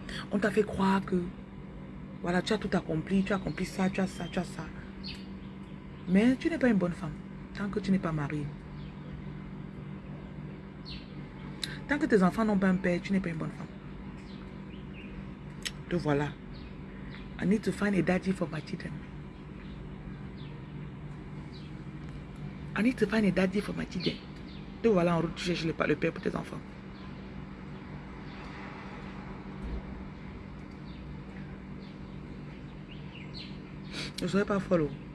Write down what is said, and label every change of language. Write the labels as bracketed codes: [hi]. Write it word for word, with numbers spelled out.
[fr] On t'a fait croire que voilà, tu as tout accompli, tu as accompli ça, tu as ça, tu as ça. Mais tu n'es pas une bonne femme tant que tu n'es pas mariée. Tant que tes enfants n'ont pas un père, tu n'es pas une bonne femme. Donc voilà. [en] I need to find a daddy for my children. I need to find a daddy for my children. [fr] Donc voilà, en route, tu cherches le père pour tes enfants. Ne soyez pas follow.